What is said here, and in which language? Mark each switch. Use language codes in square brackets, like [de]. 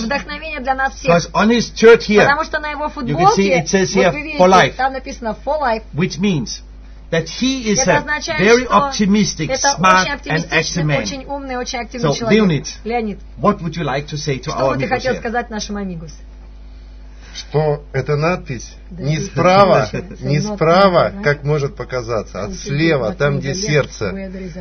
[ru] Вдохновение для нас всех. [en] Because on his shirt here, [ru] потому что на его футболке, [en] you can see it says here, for life, [ru] там написано [en] for life, which means that he is a very optimistic, smart and active man. [ru] Это очень умный, очень активный человек. [en] So, Leonid, Леонид, what would you like to say to our amigos? [ru] Что бы ты хотел сказать нашим амигус? Что эта надпись не справа, не справа, как может показаться, а слева, там, где сердце.